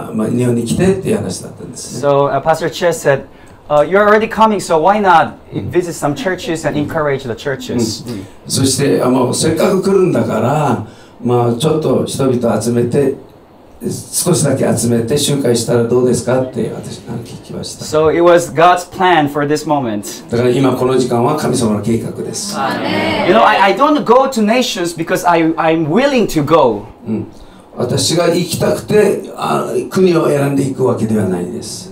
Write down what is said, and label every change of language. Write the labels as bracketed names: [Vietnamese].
[Japanese] だから今回のミーティングは実は9月のための、まあいろんな話し合いのための、まあ日本に来てっていう話だったんです。So [English] Pastor Che said, you're already coming, so why not visit some churches and encourage the churches? [Japanese] そして、せっかく来るんだから、まあちょっと人々集めて 少しだけ集めて集会したらどうですかって私が聞きました。 [English] So it was God's plan for this moment. [Japanese] だから今この時間は神様の計画です。 [English] Amen. You know, I don't go to nations because I'm willing to go. [Japanese] 私が行きたくて国を選んでいくわけではないです。